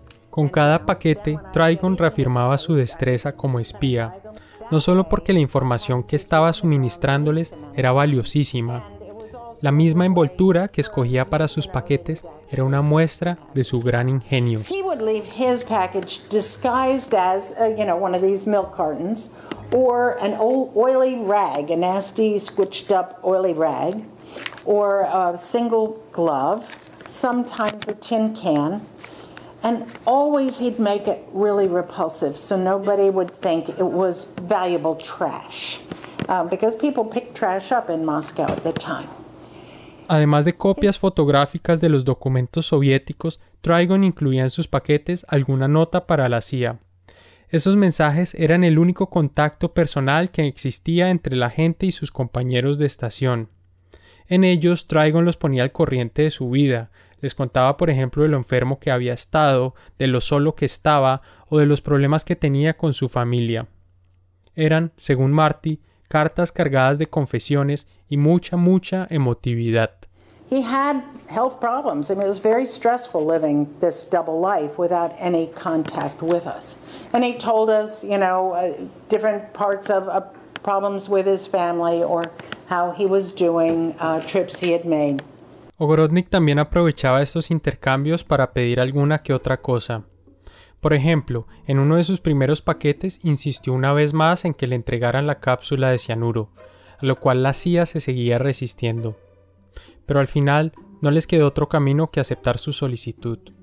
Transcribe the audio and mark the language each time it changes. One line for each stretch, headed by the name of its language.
Spanish: Con cada paquete, Trigon reafirmaba su destreza como espía, no solo porque la información que estaba suministrándoles era valiosísima. La misma envoltura que escogía para sus paquetes era una muestra de su gran ingenio.
English: He would leave his package disguised as, you know, one of these milk cartons, or an old oily rag, a nasty, squished up oily rag, or a single glove, sometimes a tin can, and always he'd make it really repulsive so nobody would think it was valuable trash, because people picked trash up in Moscow at the time.
Spanish: Además de copias fotográficas de los documentos soviéticos, Trigon incluía en sus paquetes alguna nota para la CIA. Esos mensajes eran el único contacto personal que existía entre la gente y sus compañeros de estación. En ellos, Trigon los ponía al corriente de su vida. Les contaba, por ejemplo, de lo enfermo que había estado, de lo solo que estaba o de los problemas que tenía con su familia. Eran, según Marty, cartas cargadas de confesiones y mucha, mucha emotividad.
English: He had health problems. I mean, it was very stressful living this double life without any contact with us. And he told us, you know, different parts of problems with his family or how he was doing trips he had made.
Spanish: Ogorodnik también aprovechaba estos intercambios para pedir alguna que otra cosa. Por ejemplo, en uno de sus primeros paquetes insistió una vez más en que le entregaran la cápsula de cianuro, a lo cual la CIA se seguía resistiendo. Pero al final, no les quedó otro camino que aceptar su solicitud.